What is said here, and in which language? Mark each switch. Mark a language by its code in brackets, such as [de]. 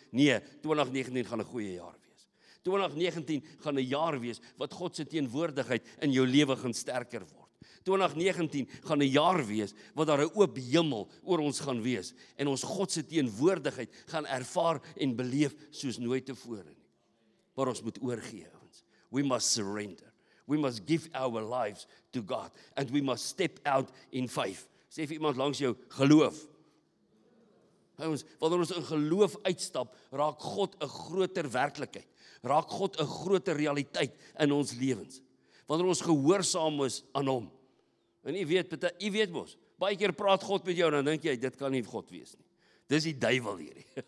[af] Nee, 2019 gaan 'n goeie jaar wees. 2019 gaan 'n jaar wees wat God se teenwoordigheid in jou lewe gaan sterker word. 2019 gaan 'n jaar wees wat daar 'n oop hemel oor ons gaan wees en ons God se teenwoordigheid gaan ervaar en beleef soos nooit tevore nie. Maar ons moet oorgee, ons. [en] We must surrender. We must give our lives to God. And we must step out in faith. [af] Sê vir iemand langs jou, geloof. Ons, wanneer ons in geloof uitstap, raak God 'n groter werklikheid. Raak God 'n groter realiteit in ons lewens. Wanneer ons gehoorsaam is aan hom. En jy weet mos, baie keer praat God met jou, dan dink jy, dit kan nie God wees nie. Dis die duivel hierdie.